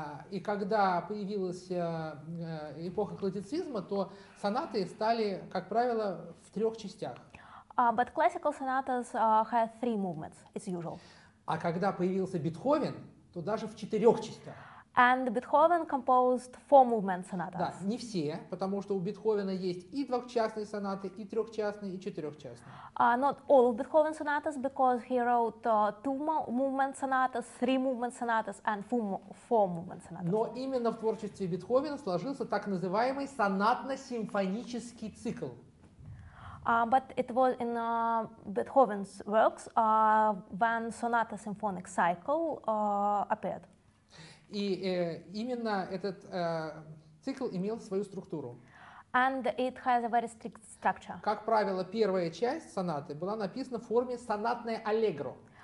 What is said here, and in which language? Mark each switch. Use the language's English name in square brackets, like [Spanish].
[Russian] И когда появилась эпоха классицизма, то сонаты стали, как правило, в трех частях. [English] But classical sonatas have three movements, as usual. [Russian] А когда появился Бетховен, то даже в четырех частях. [English] And Beethoven composed four movement sonatas. [Russian] Да, не все, потому что у Бетховена есть и двухчастные сонаты, и трехчастные, и четырехчастные. [English] Not all of Beethoven's sonatas, because he wrote two movement sonatas, three movement sonatas, and four movement sonatas. [Russian] Но именно в творчестве Бетховена сложился так называемый сонатно-симфонический цикл. [English] But it was in Beethoven's works when sonata-symphonic cycle appeared. [Russian] И именно этот цикл имел свою структуру. [English] And it has a very strict structure. [Russian] Как правило, первая часть сонаты была написана в форме сонатное аллегро.